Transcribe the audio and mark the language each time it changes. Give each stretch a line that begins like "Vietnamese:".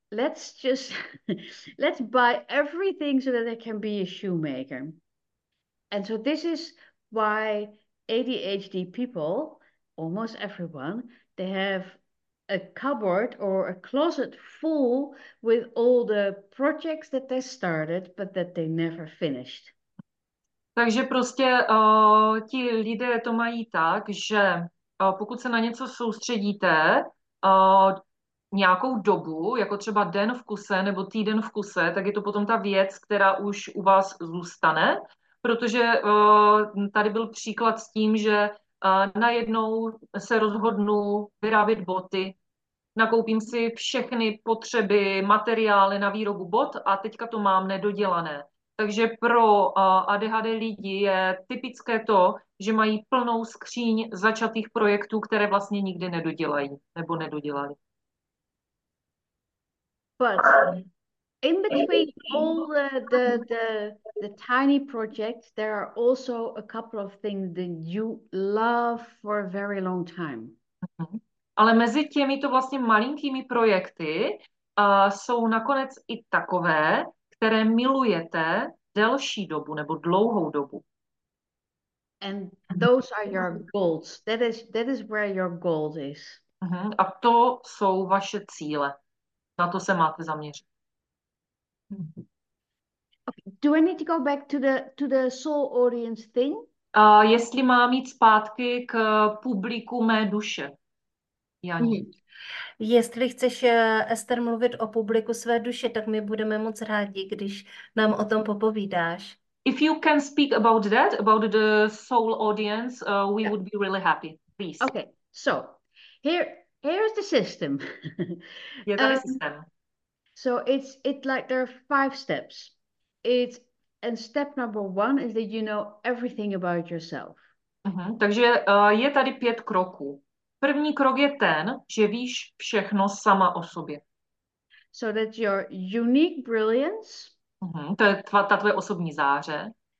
English: Let's just, let's buy everything so that I can be a shoemaker. And so this is why ADHD people, almost everyone, they have a cupboard or a closet full with all the projects that they started, but that they never finished.
Czech: Takže prostě ti lidé to mají tak, že pokud se na něco soustředíte nějakou dobu, jako třeba den v kuse nebo týden v kuse, tak je to potom ta věc, která už u vás zůstane. Protože tady byl příklad s tím, že najednou se rozhodnu vyrábět boty, nakoupím si všechny potřeby, materiály na výrobu bot a teďka to mám nedodělané. Takže pro ADHD lidi je typické to, že mají plnou skříň začatých projektů, které vlastně nikdy nedodělají nebo nedodělali.
English: But in between all the tiny projects, there are also a couple of things that you love for a very long time.
Czech: Ale mezi těmito vlastně malinkými projekty jsou nakonec i takové, které milujete delší dobu nebo dlouhou dobu.
English: And those are your goals. That is where your goal is.
Czech: A to jsou vaše cíle. Na to se máte zaměřit.
English: Do I need to go back to the soul audience thing?
Czech: Jestli mám jít zpátky k publiku mé duše. Janí. Jestli chceš, Ester, mluvit o publiku své duše, tak my budeme moc rádi, když nám o tom popovídáš.
English: If you can speak about that, about the soul audience, we would be really happy. Please. Okay, so here is the system. Yeah, that is the system. So it's like there are five steps. It's, and step number one is that you know everything about yourself.
Czech: Uh-huh. Takže je tady pět kroků. První krok je ten, že víš všechno sama o sobě.
English: So that's your unique brilliance. Uh-huh.
Czech: To je ta tvoje osobní záře.